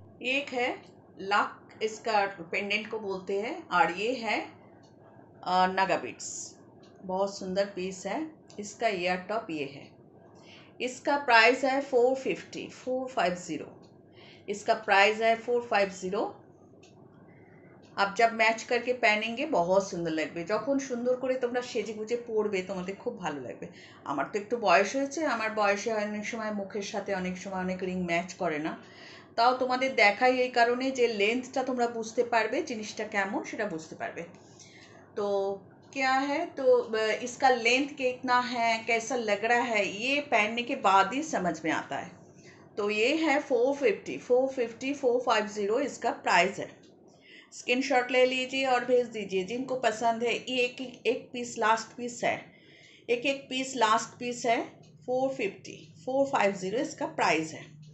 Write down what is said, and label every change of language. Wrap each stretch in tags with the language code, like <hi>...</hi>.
<hi>एक है लक, इसका पेंडेंट को बोलते हैं, और ये है नगाबिट्स, बहुत सुंदर पीस है। इसका या टॉप ये है, इसका प्राइस है 450। इसका प्राइस है 450। आप जब मैच करके पहनेंगे बहुत सुंदर लगबे,</hi> <bn>যখন সুন্দর করে তোমরা সেজে গুজে পরবে তোমাদের খুব ভালো লাগবে। আমার তো একটু বয়স হয়েছে, আমার বয়সে অনেক সময় মুখের সাথে অনেক সময় অনেক রিং ম্যাচ করে না, তাও তোমাদের দেখাই এই কারণে যে লেন্থটা তোমরা বুঝতে পারবে জিনিসটা কেমন সেটা বুঝতে পারবে।</bn> <hi>তো क्या है, तो इसका लेंथ कितना है, कैसा लग रहा है, ये पहनने के बाद ही समझ में आता है। तो ये है 450 इसका प्राइस है। स्क्रीनशॉट ले लीजिए और भेज दीजिए जिनको पसंद है। ये एक एक पीस लास्ट पीस है, एक एक पीस लास्ट पीस है, 450 इसका प्राइस है।</hi>